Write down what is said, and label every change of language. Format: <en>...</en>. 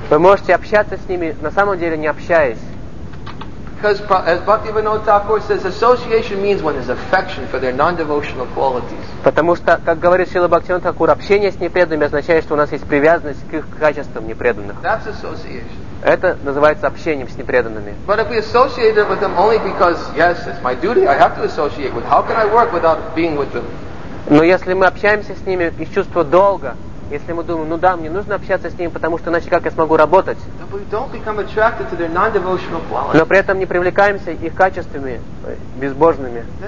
<ru>Вы можете общаться с ними, на самом деле не общаясь.</ru> <en>Because as Bhaktivinoda Thakur says, association means one is affection for their non-devotional qualities.</en> <ru>Потому что, как говорит Шрила Бхактивинода Тхакур, общение с непреданными означает, что у нас есть привязанность к их качествам непреданных.</ru> <en>That's association.</en> <ru>Это называется общением с непреданными.</ru> <en>But if we associate with them only because, yes, it's my duty, I have to associate with. How can I work without being with them?</en> <ru>Но если мы общаемся с ними из чувства долга, если мы думаем, ну да, мне нужно общаться с ними, потому что иначе как я смогу работать? Но при этом не привлекаемся их качествами безбожными.</ru>